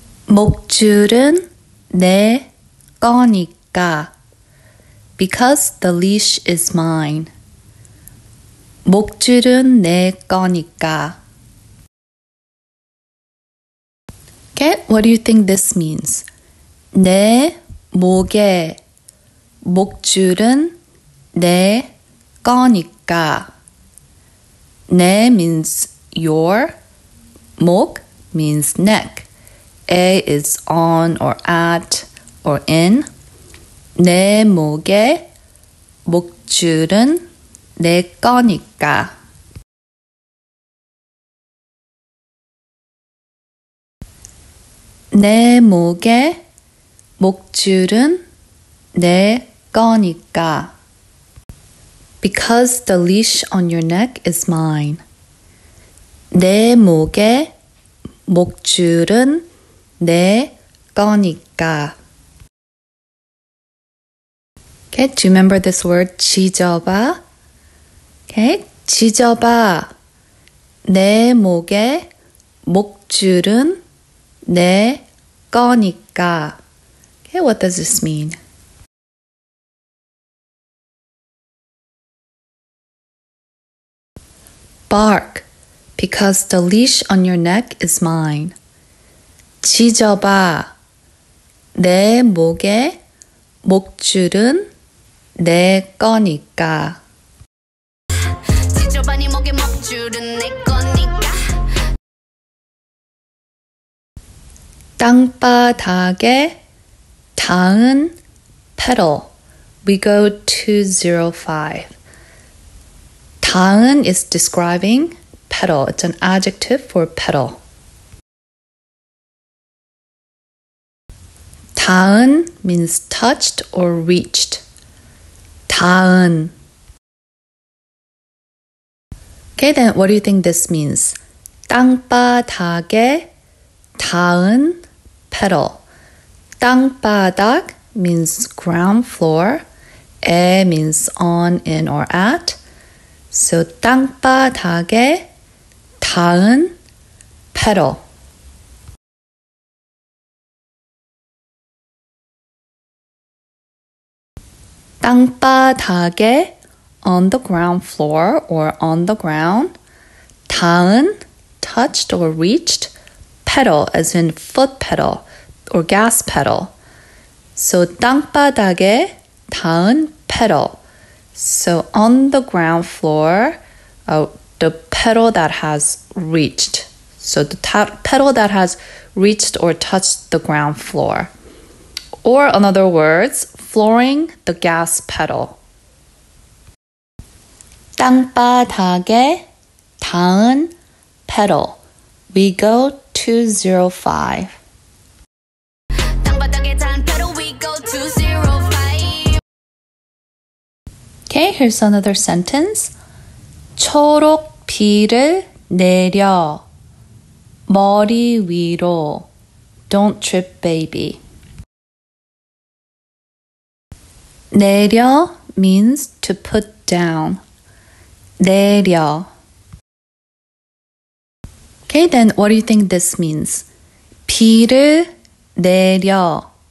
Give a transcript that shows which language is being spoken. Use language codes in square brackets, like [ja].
[ko] 목줄은 내 거니까. [en] Because the leash is mine. [ko] 목줄은 내 거니까. [en] Okay, what do you think this means? [ko] 내 목에 목줄은 내 거니까. [en] 내 means your. 목 means neck. 에 is on or at or in. [ko] 내 목에 목줄은 내 거니까. 내 목에 목줄은 내 거니까. [en] Because the leash on your neck is mine. [ko] 내 목에 목줄은 내 거니까. [en] Okay, do you remember this word 지져봐? Okay, [ko] 지져봐. 내 목에 목줄은 내 거니까. [en] Okay, what does this mean? 'Bark, because the leash on your neck is mine. [ko] 지져봐. 내 목에 목줄은 내 거니까. 땅바닥에 닿은 petal. [en] We go 205. 닿은 is describing petal. It's an adjective for petal. 닿은 means touched or reached. [ko] 닿은. [en] Okay, then what do you think this means? [ko] 땅바닥에 닿은 petal. [en] 땅바닥 means ground floor. 에 means on, in, or at. So [ko] 땅바닥에 닿은 petal. 땅바닥에 [en] on the ground floor or on the ground. [ko] 닿은 [en] touched or reached. Pedal, as in foot pedal or gas pedal. So 땅바닥에 닿은 petal. So on the ground floor, the petal that has reached. So the petal that has reached or touched the ground floor. Or in other words, flooring the gas pedal. [ko] 땅바닥에 닿은 petal. [en] We go 205. Okay, here's another sentence. [ko] 초록 비를 내려 머리 위로. [en] Don't trip, baby. 내려 means to put down. [ko] 내려. [en] Okay, then what do you think this means? [ko] 비를 내려.